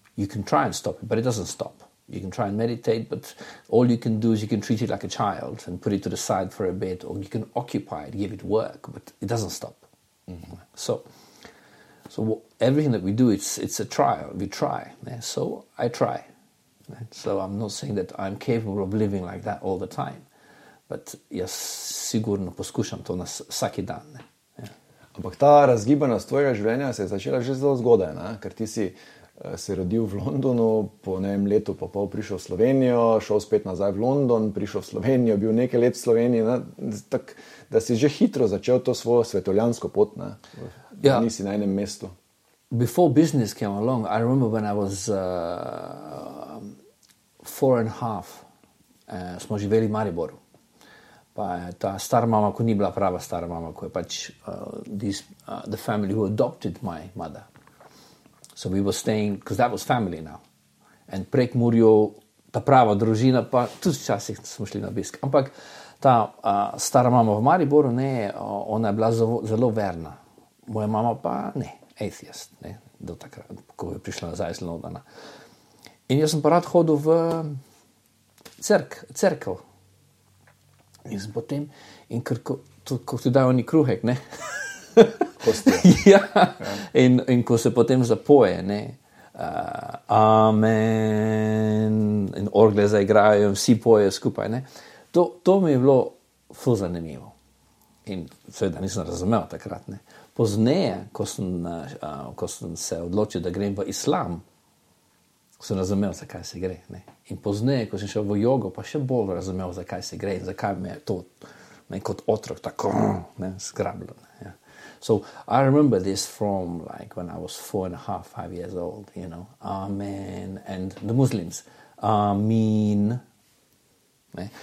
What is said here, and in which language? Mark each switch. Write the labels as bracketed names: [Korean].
[English] You can try and stop it, but it doesn't stop. You can try and meditate, but all you can do is you can treat it like a child and put it to the side for a bit, or you can occupy it, give it work, but it doesn't stop. Mm-hmm. So everything that we do, it's a trial. We try. Yeah? So I try. Right? So I'm not saying that I'm capable of living like that all the time, but [Slovenian] jaz sigurno poskušam to na vsaki dan. Ne? Ampak ta razgibanost tvojega življenja se je začela že zelo zgodaj, ne? Ker ti si se rodil v Londonu, po nejem letu pa pol prišel v Slovenijo, šel spet nazaj v London, prišel v Slovenijo, bil nekaj let v Sloveniji, ne? Tak, da si že hitro začel to svojo svetovljansko pot, ne? [English] Yeah. [Slovenian] Nisi na enem mestu. [English] Before business came along, I remember when I was 4.5, [Slovenian] smo živeli v Mariboru. Pa ta stara mama, ko ni bila prava stara mama, ko je pač [English] the family who adopted my mother. So we were staying, because that was family now. [Slovenian] And prek Murjo, ta prava družina, pa tudi včasih smo šli na obisk. Ampak ta stara mama v Mariboru, ne, ona je bila zelo verna. Moja mama pa ne, atheist, ne, do takrat, ko je prišla nazaj z Londona. In jaz sem pa rad hodil v cerkev. In potem, in ko ti dajo oni kruhek, ne? Kostja. Ja, in ko se potem zapoje, ne? Amen. In orgle zaigrajo, vsi poje skupaj, ne? To mi je bilo ful zanimivo. In seveda nisem razumel takrat, ne? Pozneje, ko sem se odločil, da grem v islam, sem razumel, zakaj se gre. Ne? In pozneje, ko sem šel v jogo, pa še bolj razumel, zakaj se gre in zakaj me je to ne, kot otrok tako ne, zgrabilo. Ne? Yeah. [English] So I remember this from like when I was 4.5 years old, you know, amen, and the Muslims, amen, ne?